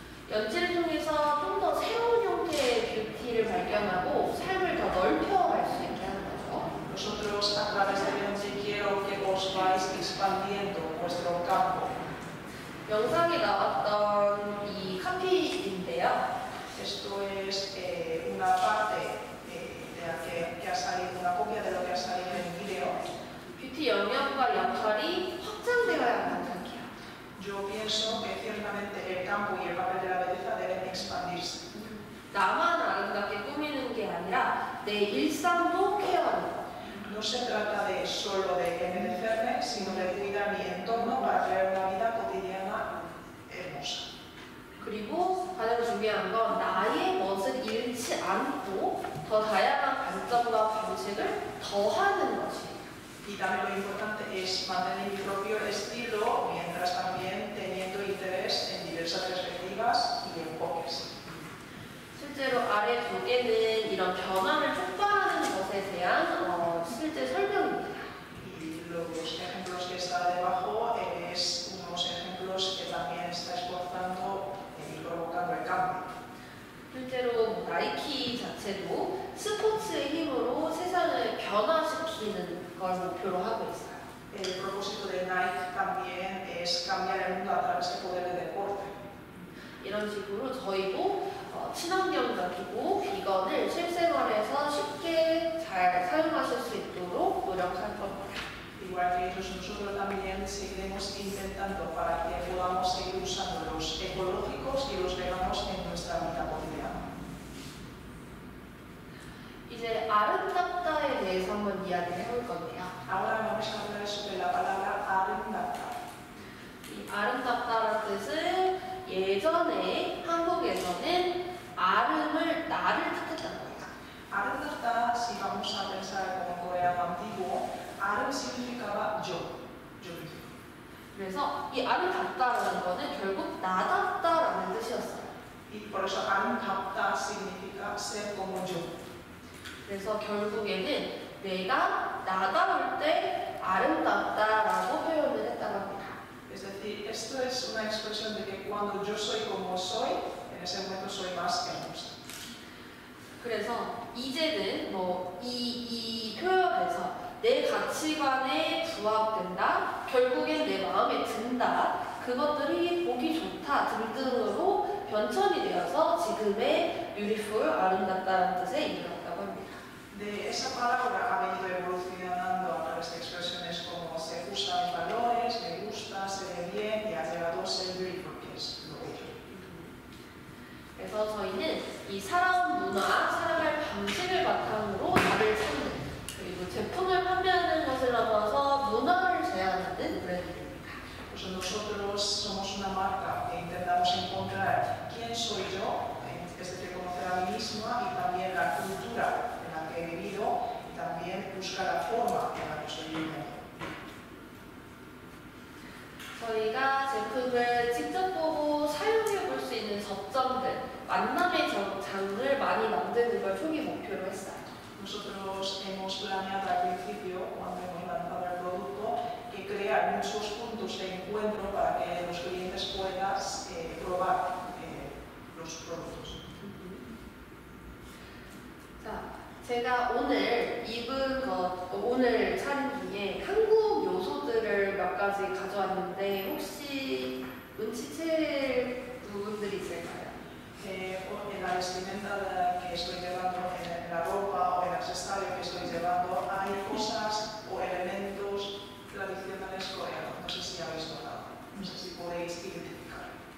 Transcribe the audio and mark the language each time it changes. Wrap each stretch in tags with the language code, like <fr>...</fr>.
<ko>연지를 통해서 좀 더 새로운 형태의 뷰티를 발견하고 삶을 더 넓혀갈 수 있게 하는 거죠.</ko> <es>Nosotros a través de 연지 quiero que vos vais expandiendo vuestro campo.</es> <ko>영상에 나왔던 이 카피인데요.</ko> <es>Esto es una parte de la que ha salido, una copia de lo que ha salido en el video.</es> <ko>뷰티 영역과 역할이 확장되어야 한다.</ko> <es>Yo pienso que ciertamente el campo y el papel de la belleza deben expandirse.</es> <ko>나만 아름답게 꾸미는 게 아니라 내 일상도 케어하는 것.</ko> <es>No se trata de solo de envejecerme, sino de cuidar mi entorno para crear una vida cotidiana hermosa.</es> <ko>그리고 가장 중요한 건 나의 멋을 잃지 않고 더 다양한 관점과 방식을 더하는 것이.</ko> <es>Y también lo importante es mantener mi propio estilo mientras también teniendo interés en diversas perspectivas y enfoques.</es> <ko>실제로 아래 두 개는 이런 변화를 촉발하는 것에 대한 실제 설명입니다.</ko> <es>Y los ejemplos que está debajo es unos ejemplos que también está esforzando y provocando el cambio.</es> <ko>실제로 나이키 자체도 스포츠의 힘으로 세상을 변화시키는 걸 목표로 하고 있어요.</ko> <es>El propósito de Nike también es cambiar el mundo a través del poder del deporte.</es> <ko>이런 식으로 저희도 친환경적이고 비건을 실생활에서 쉽게 잘 사용하실 수 있도록 노력할 겁니다.</ko> <es>Igual que ellos, nosotros también seguiremos intentando para que podamos seguir usando los ecológicos y los veganos en nuestra vida cotidiana.</es> <ko>이제 아름답다에 대해서 한번 이야기를 해볼 건데요.</ko> <es>Ahora vamos a hablar sobre la palabra 아름답다.</es> <ko>이 아름답다라는 뜻은 예전에 한국에서는 아름을 나를 뜻했다는 거예요.</ko> <es>Arundata, si vamos a pensar como coreano antiguo, arun significaba yo, yo mismo.</es> <ko>그래서 이 아름답다라는 거는 결국 나답다라는 뜻이었어요.</ko> <es>Y por eso arundata significa ser como yo.</es> <ko>그래서 결국에는 내가 나다울 때 아름답다라고 표현을 했다고 합니다.</ko> <es>Es decir, esto es una expresión de que cuando yo soy como soy, en ese momento soy más hermosa.</es> <ko>그래서 이제는 뭐 이 표현에서 내 가치관에 부합된다, 결국엔 내 마음에 든다, 그것들이 보기 좋다 등등으로 변천이 되어서 지금의 beautiful 아름답다는 뜻에 이르렀다고 합니다.</ko> <es>De esa palabra ha venido evolucionando a través de expresiones como se usa mis valores, me gusta, se ve bien y ha llegado a ser beautiful, que es lo que yo.</es> <ko>그래서 저희는 이 사람 문화, 사람의 방식을 바탕으로 나를 찾는, 그리고 제품을 판매하는 것을 넘어서 문화를 제안하는 브랜드입니다.</ko> <es>Pues nosotros somos una marca que intentamos encontrar quién soy yo, es decir, conocer a mí misma y también la cultura en la que he vivido y también buscar la forma en la que soy yo.</es> <ko>저희가 제품을 직접 보고 사용해 볼 수 있는 접점들, 만남의 장을 많이 만드는 걸 초기 목표로 했어요.</ko> <es>Nosotros hemos planeado al principio, cuando hemos lanzado el producto, que crear muchos puntos de encuentro para que los clientes puedan probar los productos.</es> <ko>자, 제가 오늘 입은 것, 오늘 차린 뒤에 한국 요소들을 몇 가지 가져왔는데 혹시 눈치챌 부분들이 있을까요?</ko> <es>En la vestimenta que estoy llevando, en la ropa o en el accesorio que estoy llevando, hay cosas o elementos tradicionales coreanos. No sé si habéis notado. No sé si podéis identificar.</es>